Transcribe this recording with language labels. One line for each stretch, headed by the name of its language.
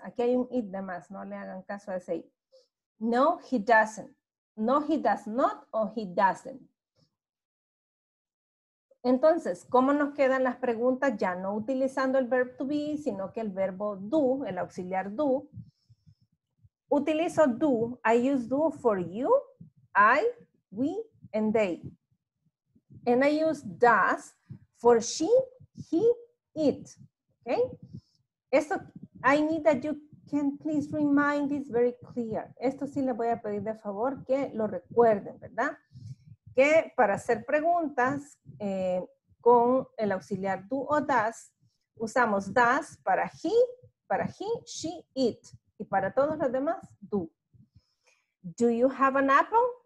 Spanish: Aquí hay un it de más, no le hagan caso a ese it.
English: No, he doesn't. No, he does not, or he doesn't.
Spanish: Entonces, ¿cómo nos quedan las preguntas ya no utilizando el verb to be, sino que el verbo do, el auxiliar do?
English: Utilizo do, I use do for you, I, we, and they. And I use does for she, he, it. Okay?
Spanish: Esto,
English: I need that you can please remind this very clear.
Spanish: Esto sí le voy a pedir de favor que lo recuerden, ¿verdad? Que para hacer preguntas con el auxiliar do o does, usamos does para he, she, it. Y para todos los demás, do.
English: Do you have an apple?